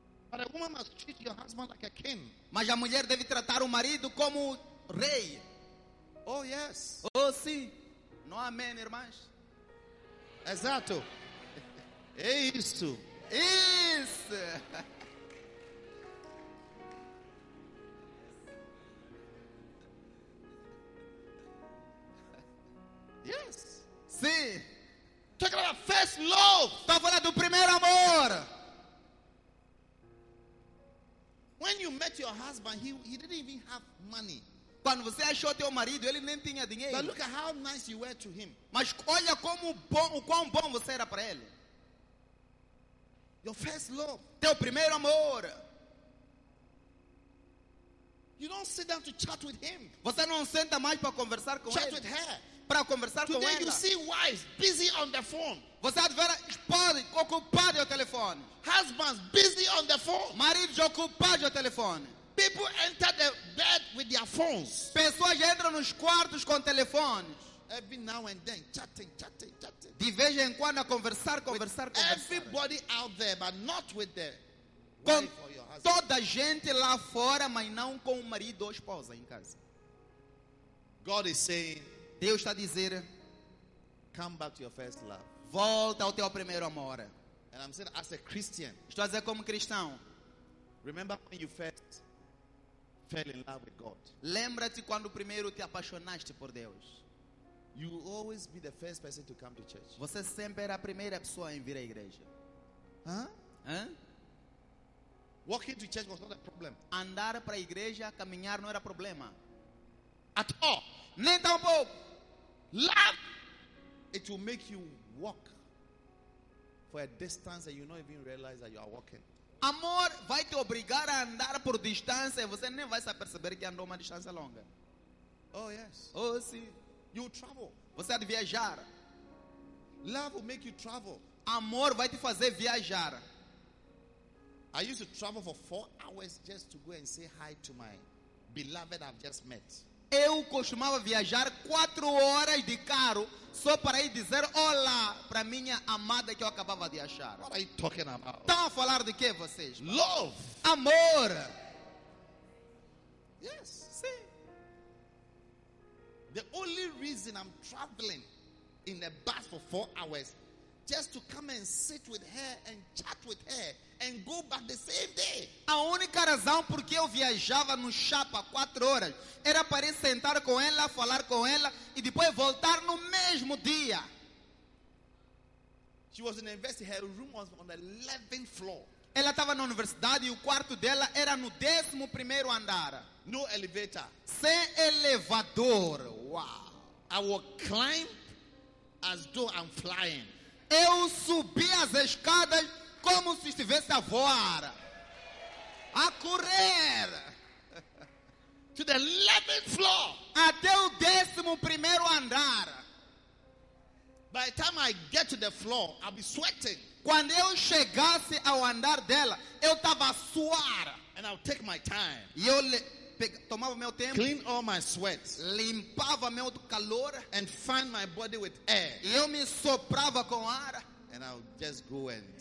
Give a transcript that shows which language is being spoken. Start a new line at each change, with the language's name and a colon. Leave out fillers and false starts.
English: But a woman must treat your husband like a king.
Portuguese: Mas a mulher deve tratar o marido como rei.
English: Oh, yes.
Portuguese: Oh, sim. Não amém, irmãs. Exato. É isso. Isso.
English: Yes.
Portuguese: Sim.
English: Talking about first love.
Portuguese: Estou falando do primeiro amor.
English: When you met your husband, he didn't even have money.
Portuguese: Quando você achou teu marido, ele nem tinha dinheiro.
English: But look at how nice you were to him.
Portuguese: Mas olha como bom, o quão bom você era para ele.
English: Your first love.
Portuguese: Teu primeiro amor.
English: You don't sit down to chat with him.
Portuguese: Você não senta mais para conversar com
English: chat
Portuguese: ele.
English: With her.
Portuguese: Para conversar
English: today
Portuguese: com ela.
English: You see wives busy on the phone.
Portuguese: Você vê esposas ocupadas no telefone.
English: Husbands busy on the phone.
Portuguese: Maridos ocupados no telefone.
English: People enter the bed with their phones.
Portuguese: Pessoas entram nos quartos com telefones.
English: Every now and then, chatting.
Portuguese: De vez em quando a conversar.
English: Everybody out there, but not with the
Portuguese: com toda a gente lá fora, mas não com o marido ou a esposa em casa.
English: God is saying,
Portuguese: Deus está a dizer,
English: come back to your first love.
Portuguese: Volta ao teu primeiro amor.
English: And I'm saying, as a Christian,
Portuguese: estou a dizer como cristão.
English: Remember when you first fell in love with God.
Portuguese: Lembra-te quando primeiro te apaixonaste por Deus.
English: You will always be the first person to come to church.
Portuguese: Você sempre era a primeira pessoa em vir à igreja.
English: Walking to church was not a problem.
Portuguese: Andar para a igreja, caminhar não era problema.
English: At all.
Portuguese: Nem tampouco.
English: Love. It will make you walk for a distance and you don't even realize that you are walking.
Portuguese: Amor vai te obrigar a andar por distância e você nem vai se aperceber que andou uma distância longa.
English: Oh, yes.
Portuguese: Oh, sim.
English: You will travel.
Portuguese: Você há de viajar.
English: Love will make you travel.
Portuguese: Amor vai te fazer viajar.
English: I used to travel for 4 hours just to go and say hi to my beloved I've just met.
Portuguese: Eu costumava viajar 4 horas de carro só para ir dizer olá para minha amada que eu acabava de achar.
English: What are you talking about?
Portuguese: Estão a falar de que vocês?
English: Love.
Portuguese: Amor.
English: Yes.
Portuguese: Sim.
English: The only reason I'm traveling in a bus for 4 hours just to come and sit with her and chat with her and go back the same day.
Portuguese: A única razão porque eu viajava no chapa 4 horas era para ir sentar com ela, falar com ela e depois voltar no mesmo dia.
English: She was in the university, her room was on the 11th floor.
Portuguese: Ela estava na universidade e o quarto dela era no 11º andar.
English: No elevator.
Portuguese: Sem elevador.
English: I would climb as though I'm flying.
Portuguese: Eu subi as escadas como se estivesse a voar. A correr.
English: To the 11th floor.
Portuguese: Até o 11º andar.
English: By the time I get to the floor, I'll be sweating.
Portuguese: Quando eu chegasse ao andar dela, eu estava a suar.
English: And I'll take my time.
Portuguese: E eu tomava meu tempo.
English: Clean all my sweats.
Portuguese: Limpava meu calor.
English: And fan my body with air.
Portuguese: E eu me soprava com ar.
English: And I'll just go and.